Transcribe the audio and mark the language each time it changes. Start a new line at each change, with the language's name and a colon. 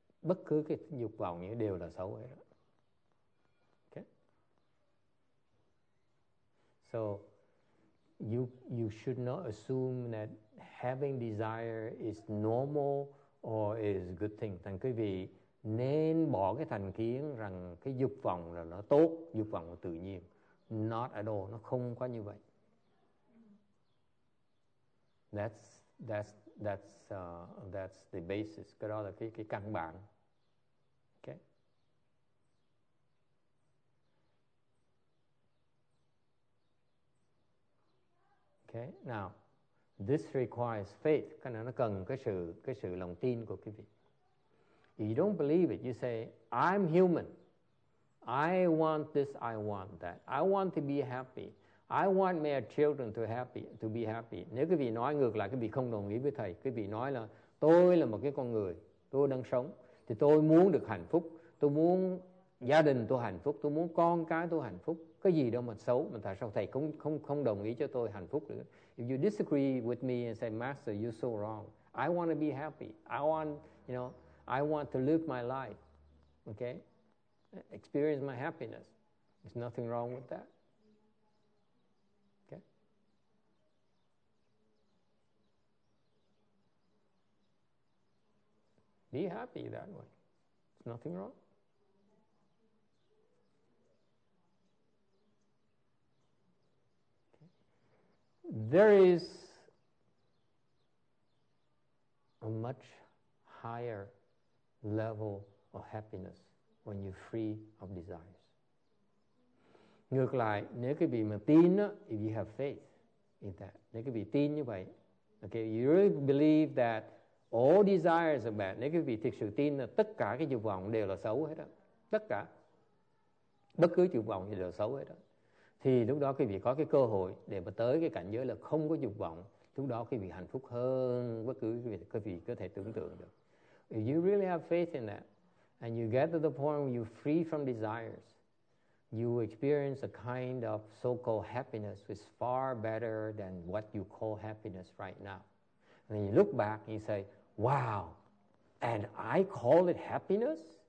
Vietnamese: Bất cứ cái dục vọng nghĩa đều là xấu hết.
English: So you should not assume that having desire is normal or is good thing.
Vietnamese: Thành quý vị nên bỏ cái thành kiến rằng cái dục vọng là nó tốt, dục vọng là tự nhiên.
English: Not at all,
Vietnamese: nó không có như vậy.
English: That's the basis.
Vietnamese: Cái đó là cái căn bản.
English: Okay, now this requires faith.
Vietnamese: Cái này nó cần cái sự lòng tin của quý vị.
English: If you don't believe it, you say, I'm human. I want this, I want that. I want to be happy. I want my children to be happy.
Vietnamese: Nếu quý vị nói ngược lại, quý vị không đồng ý với thầy, quý vị nói là tôi là một cái con người, tôi đang sống thì tôi muốn được hạnh phúc, tôi muốn gia đình tôi hạnh phúc, tôi muốn con cái tôi hạnh phúc. Cái gì đâu mà xấu mà tại sao thầy không đồng ý cho tôi hạnh phúc nữa.
English: If you disagree with me and say, Master, you're so wrong. I want to be happy. I want to live my life. Okay? Experience my happiness. There's nothing wrong with that. Okay? Be happy that way. There's nothing wrong. There is a much higher level of happiness when you're free of desires.
Vietnamese: Ngược lại, nếu quý vị mà tin,
English: if you have faith in that,
Vietnamese: nếu quý vị tin như vậy,
English: okay, you really believe that all desires are bad,
Vietnamese: nếu quý vị thực sự tin là tất cả cái dục vọng đều là xấu hết đó, tất cả, bất cứ dục vọng đều là xấu hết đó. Thì lúc đó quý vị có cái cơ hội để mà tới cái cảnh giới là không có dục vọng. Lúc đó quý vị hạnh phúc hơn bất cứ quý vị có thể tưởng tượng được.
English: If you really have faith in that, and you get to the point where you're free from desires, you experience a kind of so-called happiness which is far better than what you call happiness right now. And then you look back and you say, wow, and I call it happiness?